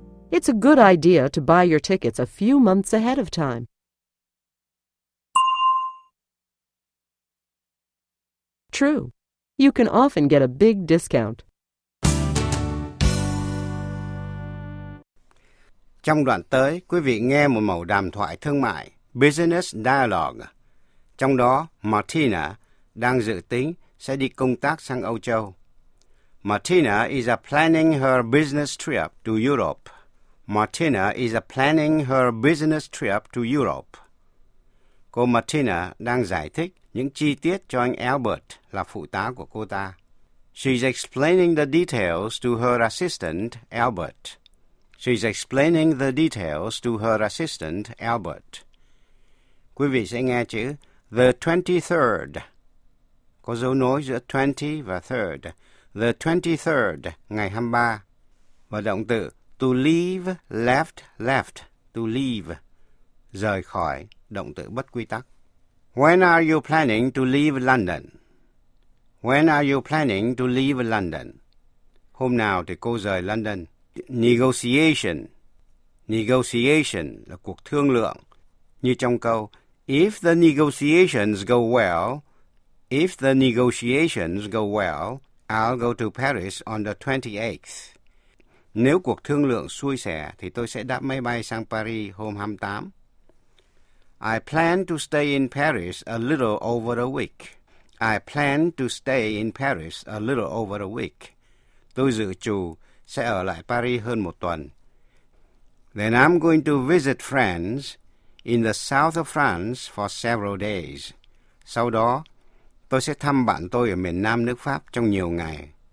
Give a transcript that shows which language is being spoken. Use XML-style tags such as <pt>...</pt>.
<en>It's a good idea to buy your tickets a few months ahead of time. True. You can often get a big discount.</en> <vi>Trong đoạn tới, quý vị nghe một mẩu đàm thoại thương mại, Business Dialogue. Trong đó, Martina đang dự tính sẽ đi công tác sang Âu Châu.</vi> <en>Martina is planning her business trip to Europe. Martina is planning her business trip to Europe.</en> <vi>Cô Martina đang giải thích những chi tiết cho anh Albert là phụ tá của cô ta.</vi> <en>She's explaining the details to her assistant, Albert. She's explaining the details to her assistant, Albert. Quý vị sẽ nghe chữ</en> <vi>The 23rd. Có dấu nối giữa 20 và third. The 23rd, ngày 23. Và động từ to leave, left, left. To leave, rời khỏi, động từ bất quy tắc.</vi> <en>When are you planning to leave London? When are you planning to leave London?</en> <vi>Hôm nào thì cô rời London? Negotiation. Negotiation là cuộc thương lượng.</vi> <en>Như trong câu, if the negotiations go well, if the negotiations go well, I'll go to Paris on the 28th.</en> <vi>Nếu cuộc thương lượng xuôi sẻ, thì tôi sẽ đáp máy bay sang Paris hôm 28.</vi> <en>I plan to stay in Paris a little over a week. I plan to stay in Paris a little over a week.</en> <vi>Tôi dự trù sẽ ở lại Paris hơn một tuần.</vi> <en>Then I'm going to visit friends in the south of France for several days.</en> <vi>Sau đó, tôi sẽ thăm bạn tôi ở miền Nam nước Pháp trong nhiều ngày.</vi>